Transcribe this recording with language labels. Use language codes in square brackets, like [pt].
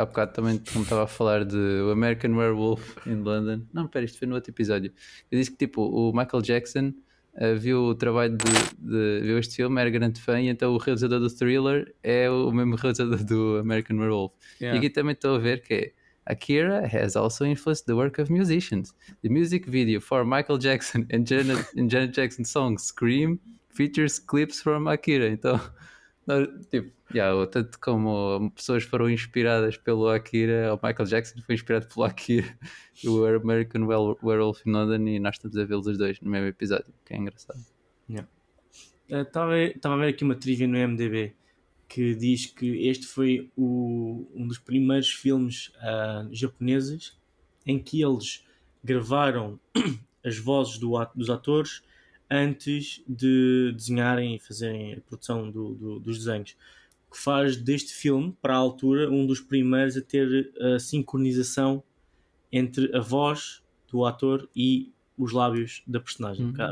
[pt] Há bocado também, como estava a falar de o American Werewolf in London. Não, espera, isto foi no outro episódio. Eu disse que tipo, o Michael Jackson viu o trabalho de viu este filme, era grande fã, e então o realizador do Thriller é o mesmo realizador do American Werewolf. [en] Yeah. [pt] E aqui também estou a ver que [en] Akira has also influenced the work of musicians. The music video for Michael Jackson and Janet Jackson's song Scream features clips from Akira. [pt] Então, não, tipo, yeah, tanto como pessoas foram inspiradas pelo Akira, o Michael Jackson foi inspirado pelo Akira, o American Werewolf in London, e nós estamos a vê-los os dois no mesmo episódio, que é engraçado. Estava a ver aqui uma trivia no IMDb que diz que este foi um dos primeiros filmes japoneses em que eles gravaram as vozes dos atores antes de desenharem e fazerem a produção dos desenhos, que faz deste filme, para a altura, um dos primeiros a ter a sincronização entre a voz do ator e os lábios da personagem.